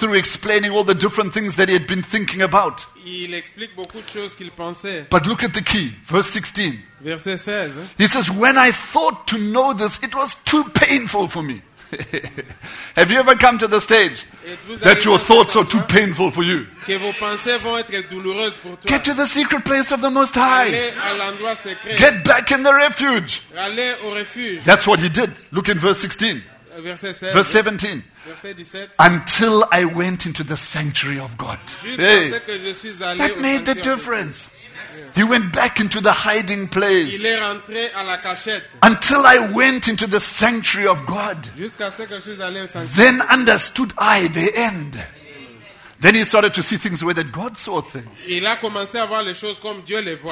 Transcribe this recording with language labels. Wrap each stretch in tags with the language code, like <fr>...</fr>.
<en>Through explaining all the different things that he had been thinking about.</en> <fr>Il explique beaucoup de choses qu'il pensait.</fr> <en>But look at the key, verse 16.</en> <fr>Verset 16.</fr> <en>He says, when I thought to know this, it was too painful for me. Have you ever come to the stage that your thoughts are too painful for you?</en> <fr>Que vos pensées vont être douloureuses pour toi.</fr> <en>Get to the secret place of the Most High.</en> <fr>Allez à l'endroit secret.</fr> <en>Get back in the refuge.</en> <fr>Allez au refuge.</fr> <en>That's what he did. Look in verse 16.</en> <fr>Verset 16.</fr> <en>Verse 17.</en> <fr>Verset 17.</fr> <en>Until I went into the sanctuary of God.</en> <fr>Hey. Que je suis allé</fr> <en>that</en> <fr>au</fr> <en>made the difference. He went back into the hiding place.</en> <fr>Il est rentré à la cachette.</fr> <en>Until I went into the sanctuary of God.</en> <fr>Jusqu'à ce que je suis allé au sanctuaire.</fr> <en>Then understood I the end. Then he started to see things the way that God saw things.</en> <fr>Il a commencé à voir les choses comme Dieu les voit.</fr>